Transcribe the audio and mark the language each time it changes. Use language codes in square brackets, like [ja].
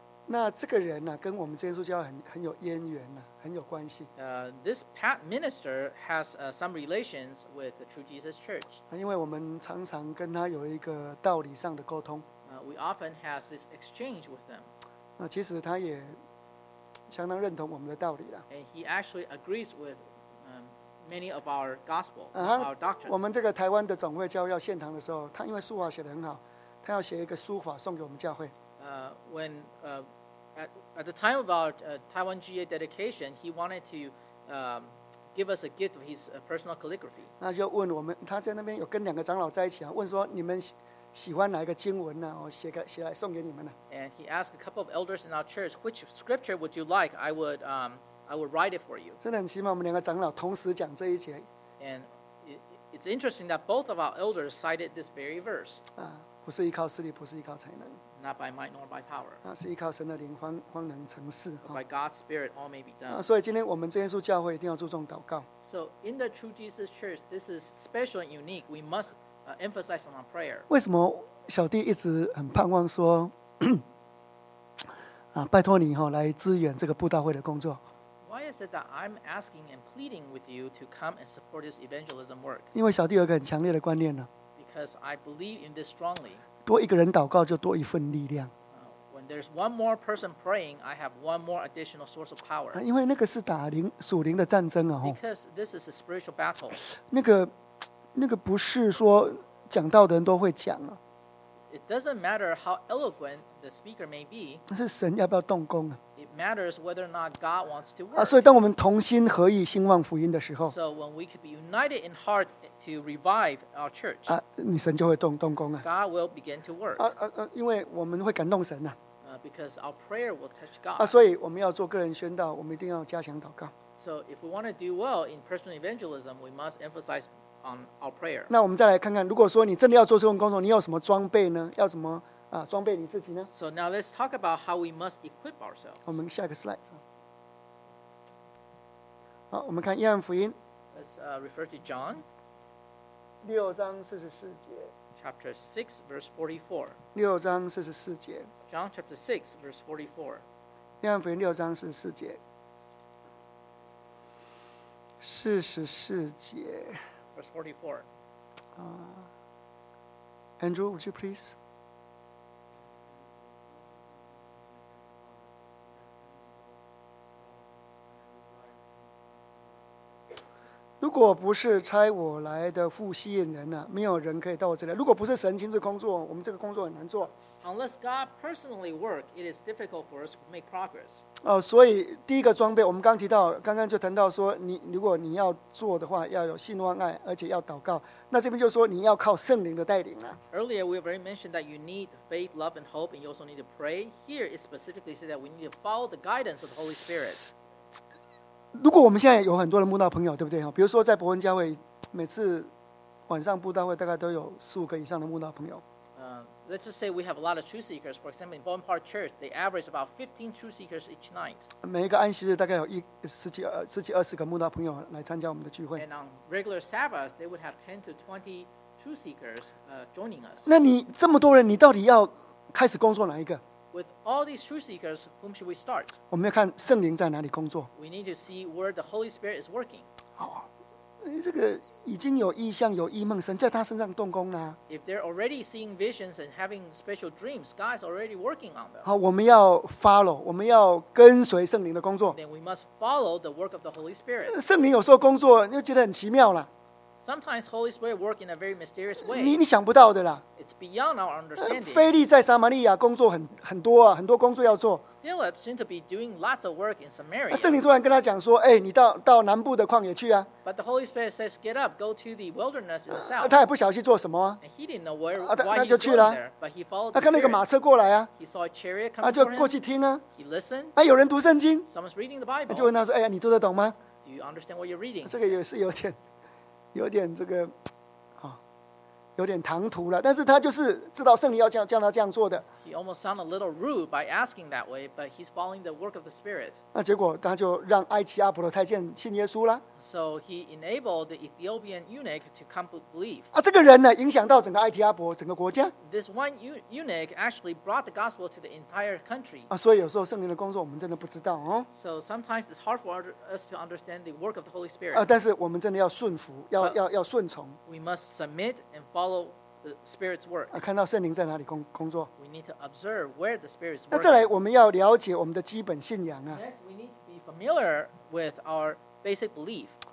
[zh] 那这个人呢、啊，跟我们天主教很有渊源呢、啊，很有关系。 [en] This minister has some relations with the True Jesus Church. [zh] 因为我们常常跟他有一个道理上的沟通。 [en] We often have this exchange with them. [zh] 那其实他也相当认同我们的道理了。 [en] And he actually agrees with many of our gospel, our doctrine. [zh] 我们这个台湾的总会教要献堂的时候，他因为书法写得很好，他要写一个书法送给我们教会。 [en] When at the time of our Taiwan GA dedication, he wanted to give us a gift of his personal calligraphy. [zh] 那就问我们，他在那边有跟两个长老在一起啊，问说你们喜欢哪一个经文呢、啊？我写来送给你们呢、啊。 [en] And he asked a couple of elders in our church, which scripture would you like? I would write it for you. [zh] 真的很奇妙，我们两个长老同时讲这一节。 [en] And it's interesting that both of our elders cited this very verse. [zh] 啊，不是依靠势力，不是依靠才能。 [en] Not by might nor by power. [zh] 啊，是依靠神的灵，方能成事。 [en] But by God's Spirit, all may be done. [zh] 啊，所以今天我们这耶稣教会一定要注重祷告。 [en] So in the True Jesus Church, this is special and unique. We must emphasize on prayer. [zh] 为什么小弟一直很盼望说，啊，拜托你哈、哦、来支援这个布道会的工作 [en] ？Why is it that I'm asking and pleading with you to come and support this evangelism work？ [zh] 因为小弟有一个很强烈的观念呢。 [en] Because I believe in this strongly. [zh] 多一个人祷告就多一份力量。 [en] When there's one more person praying, I have one more additional source of power. [zh] 因为那个是打灵属灵的战争啊、哦、 [en] Because this is a spiritual battle. [zh] 那个不是说讲道的人都会讲啊。 [en] It doesn't matter how eloquent the speaker may be. [zh] 那是神要不要动工啊 [en] ？It matters whether or not God wants to work. [zh] 啊，所以当我们同心合意兴旺福音的时候 [en] ，So when we could be united in heart to revive our church. [zh] 啊，你神就会动工啊。 [en] God will begin to work. [zh] 啊，因为我们会感动神呐、啊。 [en] Because our prayer will touch God. [zh] 啊，所以我们要做个人宣道，我们一定要加强祷告。 [en] So if we want to do well in personal evangelism, we must emphasize. Our prayer. [zh] 那我们再来看看，如果说你真的要做这份工作，你有什么装备呢？要什么啊？装备你自己呢 [en] ？So now let's talk about how we must equip ourselves. [zh] 我们下一个 slide。好，我们看约翰福音。 [en] Let's refer to John. 6:44. Chapter 6:44. 6:44. John 6:44. [zh] 约翰福音6:44。 44:44。 [en] Verse 44. Andrew, would you please? [zh] If 不是差我来的父吸引人呢，没有人可以到我这里。如果不是神亲自工作，我们这个工作很难做。 [en] Unless God personally work, it is difficult for us to make progress. [zh] 所以第一个装备，我们刚提到，刚刚就谈到说，如果你要做的话，要有信望爱，而且要祷告。那这边就说你要靠圣灵的带领啊。 [en] Earlier we already mentioned that you need faith, love, and hope, and you also need to pray. Here it specifically says that we need to follow the guidance of the Holy Spirit. [zh] 如果我们现在有很多的慕道朋友，对不对？比如说在伯恩教会，每次晚上慕道会大概都有15个以上的慕道朋友。 [en] Let's just say we have a lot of truth seekers. For example, in Bowen Park Church, they average about 15 truth seekers each night. [zh] 每一个安息日大概有十几二十个慕道朋友来参加我们的聚会。 [en] And on regular Sabbath, they would have 10 to 20 truth seekers joining us. [zh] 那你这么多人，你到底要开始工作哪一个 [en] ？With all these truth seekers, whom should we start? [zh] 我们要看圣灵在哪里工作。 [en] We need to see where the Holy Spirit is working. [zh] 好、这个。已经有异象、有异梦，神在他身上动工了。 [en] If they're already seeing visions and having special dreams, God's already working on them. [zh] 好，我们要 follow， 我们要跟随圣灵的工作。 [en] Then we must follow the work of the Holy Spirit. [zh] 圣灵有时候工作，你就觉得很奇妙了。 [en] Sometimes Holy Spirit work in a very mysterious way. [zh] 你想不到的啦。 [en] It's beyond our understanding. [zh] 腓力在撒玛利亚工作很多啊，很多工作要做。 [en] Philip seemed to be doing lots of work in Samaria. [zh] 圣灵突然跟他讲说：“哎，你到南部的旷野去啊。” [en] But the Holy Spirit says, "Get up, go to the wilderness in the south." [zh] 他也不晓得去做什么、啊。 [en] And he didn't know where why he was going there. But he followed the Spirit. [zh] 他看那个马车过来啊。 [en] He saw a chariot coming. [zh] 就过去听啊。 [en] He listened. [zh] 有人读圣经。 [en] Someone's reading the Bible. [zh] 就问他说：“哎，你读得懂吗？” [en] Do you understand what you're reading? [zh] 这个也是有点有点这个、哦、有点唐突了，但是他就是知道圣灵要叫他这样做的。 [en] He almost sounded a little rude by asking that way, but he's following the work of the Spirit. [zh] 那结果他就让埃及阿婆的太监信耶稣了。 [en] So he enabled the Ethiopian eunuch to come to believe. [zh] 啊，这个人呢，影响到整个埃及阿婆整个国家。 [en] This one eunuch actually brought the gospel to the entire country. [zh] 啊，所以有时候圣灵的工作我们真的不知道哦。 [en] So sometimes it's hard for us to understand the work of the Holy Spirit. [zh] 啊，但是我们真的要顺服，要顺从。 [en] We must submit and follow. The Spirit's work. [zh] 看到圣灵在哪里工作。 [en] We need to observe where the Spirit's work. [zh] 那再来，我们要了解我们的基本信仰啊。 [en] Next, we need to be familiar with our basic belief.